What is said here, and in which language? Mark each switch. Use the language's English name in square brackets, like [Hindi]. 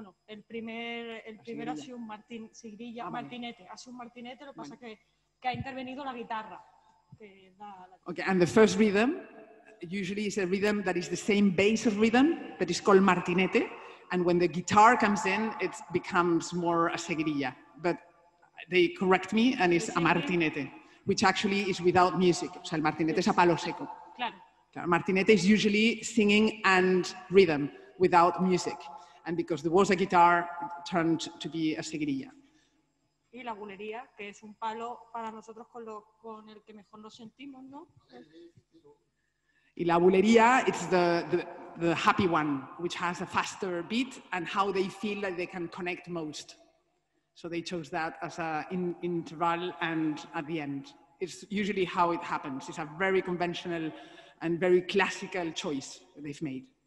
[Spanish] El primer ha sido un Martín Sigrilla, martinete. Ha sido un martinete, lo que pasa que ha intervenido la guitarra. [English] Okay, and the first rhythm usually is a rhythm that is the same base rhythm that is called martinete. And when the guitar comes in, it becomes more a seguirilla. But they correct me, and it's a martinete, which actually is without music. [Spanish] O sea, el martinete es a palo seco. Claro. [English] Martinete is usually singing and rhythm without music. And because there was a guitar, it turned to be a seguirilla. [Spanish] Y la bulería, que es un palo para nosotros con el que mejor nos sentimos, ¿no? Y la bulería, [English] it's the happy one, which has a faster beat, and how they feel that they can connect most. So they chose that as an interval and at the end. It's usually how it happens. It's a very conventional and very classical choice that they've made.